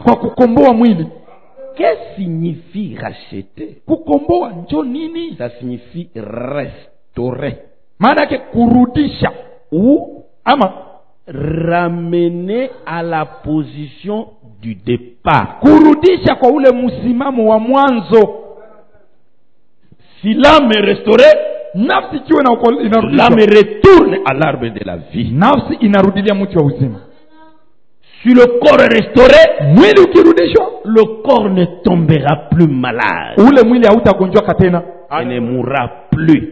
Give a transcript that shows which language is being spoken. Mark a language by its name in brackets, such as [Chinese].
[Swahili] Kwa kukomboa wa mwili. [French] Qu'est-ce signifie racheter? [Swahili] Kukomboa njo nini? [French] Ça signifie restaurer. [Swahili] Maana yake kurudisha [French] ou [Swahili] ama [French] ramener à la position du départ. [Swahili] Kurudisha kwa ule msimamo wa mwanzo. [French] Si l'âme est restaurée, [Swahili] nafsi kiwe na inarudisha. [French] L'âme retourne à l'arbre de la vie. [Swahili] Nafsi inarudilia mti wa uzima. [French] Si le corps est restauré, [Swahili] mwili ukirudishwa, [French] le corps ne tombera plus malade. Il ne mourra plus.